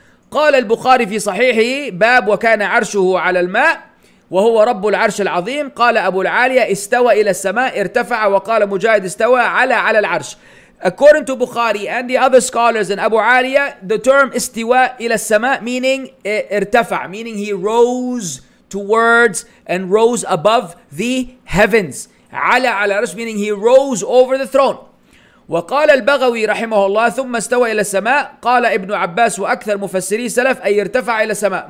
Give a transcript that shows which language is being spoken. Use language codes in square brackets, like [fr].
[ar] قال البخاري في صحيحه باب وكان عرشه على الماء وهو رب العرش العظيم. قال أبو العالية استوى إلى السماء ارتفع وقال مجاهد استوى على العرش. [en] According to Bukhari and the other scholars in Abu Aliya, the term istiwa ila sama meaning irtafa, meaning he rose towards and rose above the heavens. Ala ala arsh meaning he rose over the throne. [ar] وقال البغوي رحمه الله ثم استوى الى السماء قال ابن عباس واكثر مفسري سلف اي ارتفع الى السماء.